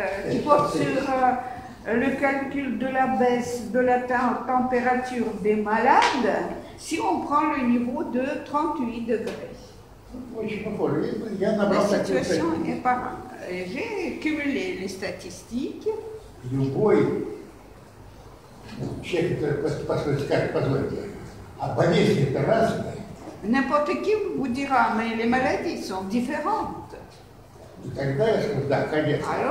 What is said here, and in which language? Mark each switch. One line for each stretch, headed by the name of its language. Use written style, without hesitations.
French: Qui porte sur le calcul de la baisse de la température des malades, si on prend le niveau de 38 degrés. La situation est pareille. J'ai cumulé les statistiques.
Russian: Любой человек, который посмотрит, скажет, позвольте, а болезни-то разные.
French: N'importe qui vous dira, mais les maladies sont différentes.
Russian: И тогда я скажу, да, конечно.